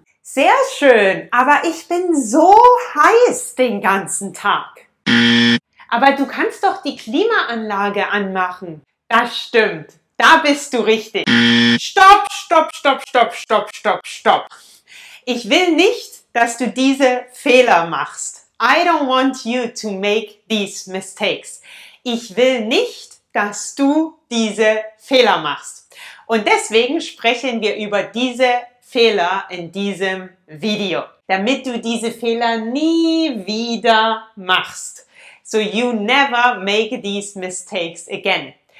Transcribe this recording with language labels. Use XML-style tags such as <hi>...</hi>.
<de>Sehr schön, aber ich bin so heiß den ganzen Tag. Aber du kannst doch die Klimaanlage anmachen. Das stimmt. Da bist du richtig. Stopp, stopp, stopp, stopp, stopp, stopp, stopp. Ich will nicht, dass du diese Fehler machst.</de> <en>I don't want you to make these mistakes.</en> <de>Ich will nicht, dass du diese Fehler machst. Und deswegen sprechen wir über diese Fehler in diesem Video, damit du diese Fehler nie wieder machst.</de> <en>So you never make these mistakes again.</en>